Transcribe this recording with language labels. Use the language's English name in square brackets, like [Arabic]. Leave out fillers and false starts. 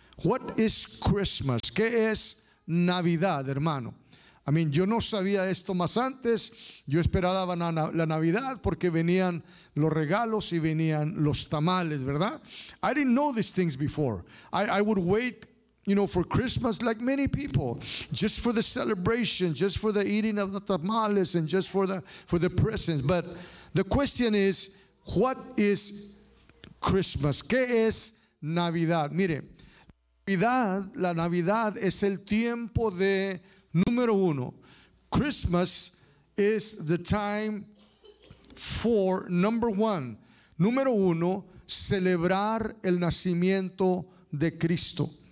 [English] What is Christmas? [Spanish] ¿Qué es Navidad, hermano? [English] I mean, [Spanish] yo no sabía esto más antes. Yo esperaba la Navidad porque venían los regalos y venían los tamales, ¿verdad? [English] I didn't know these things before. I would wait, you know, for Christmas like many people, just for the celebration, just for the eating of the tamales and just for the presents. But the question is, what is Christmas? [Spanish] ¿Qué es Navidad? Mire, la Navidad es el tiempo de, número uno, [English] Christmas is the time for, number one, [Spanish] número uno, celebrar el nacimiento de Cristo.